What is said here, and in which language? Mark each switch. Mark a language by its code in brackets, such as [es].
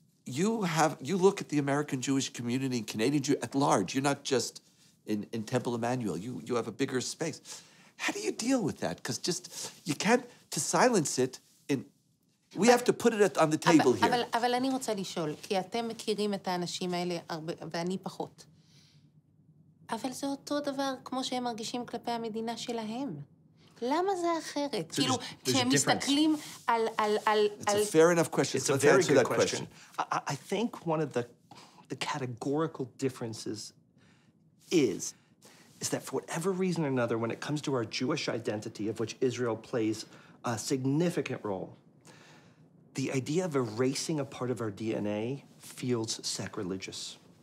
[en] you look at the American Jewish community and Canadian Jew at large. You're not just in Temple Emmanuel. You have a bigger space. How do you deal with that? Because just, you can't, to silence it, we have to put it on the table here. [he] אבל אני רוצה לשאול, כי אתם מכירים את האנשים האלה ואני פחות. אבל זה אותו דבר כמו שהם מרגישים כלפי המדינה שלהם. למה זה אחרת? כאילו, כשהם מסתכלים על... [en] It's a fair enough question. It's a very good question. I think one of the categorical differences is that for whatever reason or another, when it comes to our Jewish identity, of which Israel plays a significant role, the idea of erasing a part of our DNA feels sacrilegious.